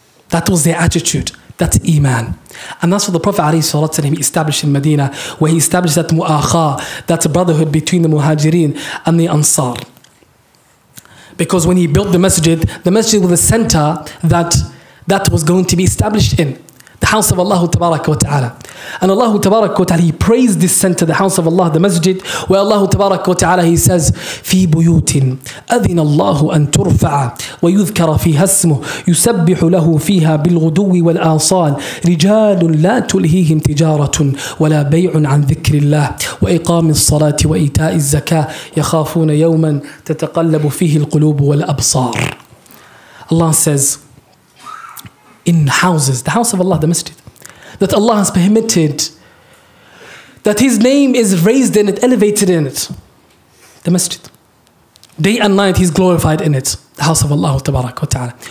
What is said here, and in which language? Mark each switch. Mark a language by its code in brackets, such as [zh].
[en] That was their attitude. That's iman. And that's what the Prophet ﷺ established in Medina, where he established that mu'akha, that brotherhood between the Muhajirin and the Ansar. Because when he built the masjid was the center that was going to be established in. The house of Allah Tabarak wa Ta'ala. And Allah Tabarak wa Ta'ala, He praised this center, the house of Allah, the masjid, where Allah Tabarak wa Ta'ala, He says, [ar] فِي بُيُوتٍ أَذِنَ اللَّهُ أَن تُرْفَعَ وَيُذْكَرَ فِيهَا اسْمُهُ يُسَبِّحُ لَهُ فِيهَا بِالْغُدُوِّ وَالْآصَالِ رِجَالٌ لَا تُلْهِيهِمْ تِجَارَةٌ وَلَا بَيْعٌ عَن ذِكْرِ اللَّهِ وَإِقَامِ الصَّلَاةِ وَإِيتَاءِ الزَّكَاةِ يَخَافُونَ يَوْمًا تَتَقَلَّبُ فِيهِ الْقُلُوبُ وَالْأَبْصَارُ. [en] Allah says, in houses, the house of Allah, the masjid, that Allah has permitted, that His name is raised in it, elevated in it, the masjid. Day and night, He's glorified in it, the house of Allah, tabarak wa ta'ala.